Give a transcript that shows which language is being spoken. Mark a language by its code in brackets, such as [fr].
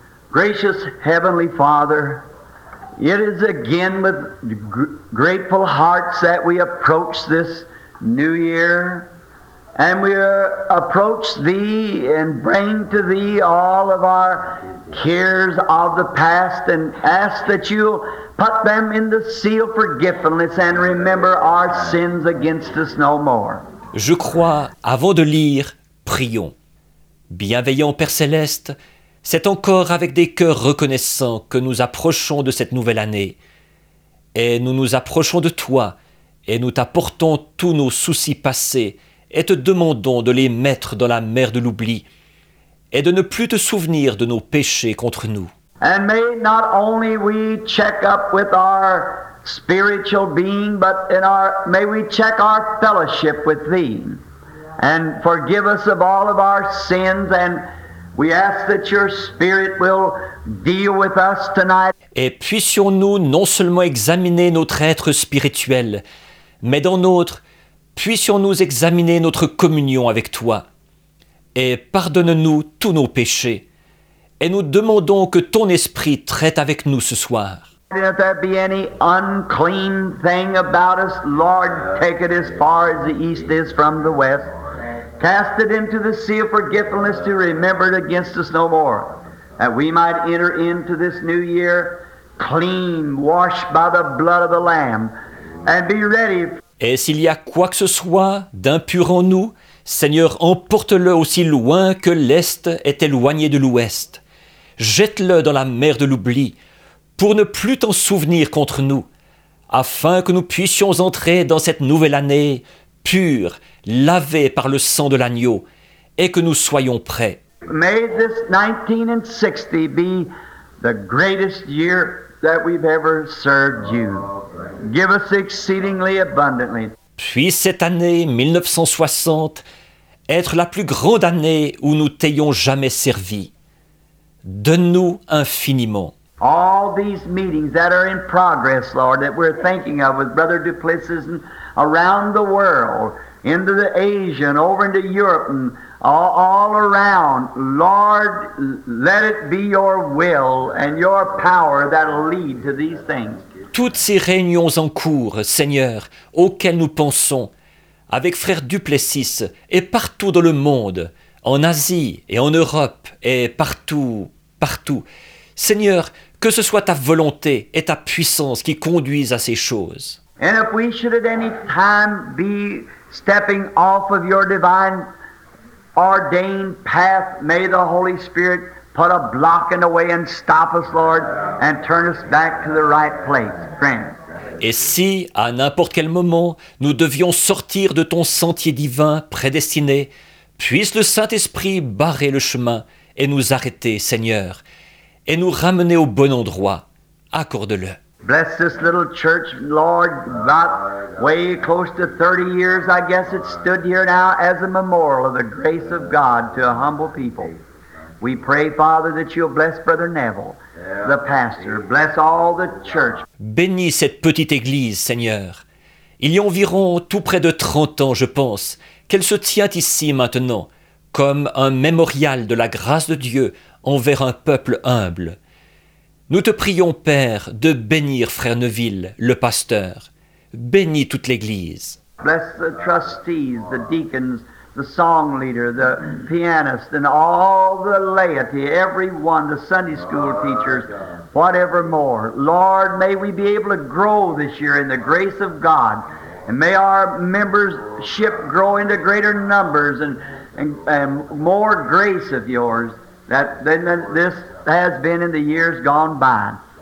[en] Gracious Heavenly Father, it is again with grateful hearts that we approach this new year. And we approach Thee and bring to Thee all of our cares of the past and ask that You'll put them in the seal of forgiveness and remember our sins against us no more. [fr] Je crois, avant de lire, prions. Bienveillant Père Céleste, C'est encore avec des cœurs reconnaissants que nous approchons de cette nouvelle année. Et nous nous approchons de toi, et nous t'apportons tous nos soucis passés, et te demandons de les mettre dans la mer de l'oubli, et de ne plus te souvenir de nos péchés contre nous. [en] And may not only we check up with our spiritual being, but in our, may we check our fellowship with thee, and forgive us of all of our sins, and we ask that your spirit will deal with us tonight. [fr] Et puissions-nous non seulement examiner notre être spirituel, mais dans notre, puissions-nous examiner notre communion avec toi. Et pardonne-nous tous nos péchés. Et nous demandons que ton esprit traite avec nous ce soir. [en] If there be any unclean thing about us, Lord, take it as far as the east is from the west. Cast it into the sea of forgetfulness to remember it against us no more. That we might enter into this new year clean, washed by the blood of the Lamb, and be ready. [fr] Et s'il y a quoi que ce soit d'impur en nous, Seigneur, emporte-le aussi loin que l'Est est éloigné de l'Ouest. Jette-le dans la mer de l'oubli, pour ne plus t'en souvenir contre nous, afin que nous puissions entrer dans cette nouvelle année pure, lavée par le sang de l'agneau, et que nous soyons prêts. [en] May this 1960 be the greatest year that we've ever served you. Give us exceedingly abundantly. [fr] Puisse cette année 1960 être la plus grande année où nous t'ayons jamais servi. Donne-nous infiniment. [en] All these meetings that are in progress, Lord, that we're thinking of with Brother Duplessis and around the world, into the Asia and over into Europe and all around, Lord, let it be your will and your power that'll lead to these things. [fr] Toutes ces réunions en cours, Seigneur, auxquelles nous pensons, avec Frère Duplessis et partout dans le monde, en Asie et en Europe et partout. Seigneur, que ce soit ta volonté et ta puissance qui conduisent à ces choses. [en] And if we should at any time be stepping off of your divine ordained path, may the Holy Spirit put a block in the way and stop us, Lord, and turn us back to the right place, friend. [fr] Et si, à n'importe quel moment, nous devions sortir de ton sentier divin prédestiné, puisse le Saint-Esprit barrer le chemin et nous arrêter, Seigneur, et nous ramener au bon endroit. Accorde-le. [en] Bless this little church, Lord, about way close to 30 years, I guess it stood here now as a memorial of the grace of God to a humble people. We pray, Father, that you'll bless Brother Neville, the pastor. Bless all the church. [fr] Bénis cette petite église, Seigneur. Il y a environ tout près de 30 ans, je pense, qu'elle se tient ici maintenant, comme un mémorial de la grâce de Dieu envers un peuple humble. Nous te prions, Père, de bénir Frère Neville, le pasteur. Bénis toute l'Église. [en] Bless the trustees, the deacons, the song leader, the pianist, and all the laity, everyone, the Sunday school teachers, whatever more. Lord, may we be able to grow this year in the grace of God, and may our membership grow into greater numbers and more grace of yours than this has been in the years gone by.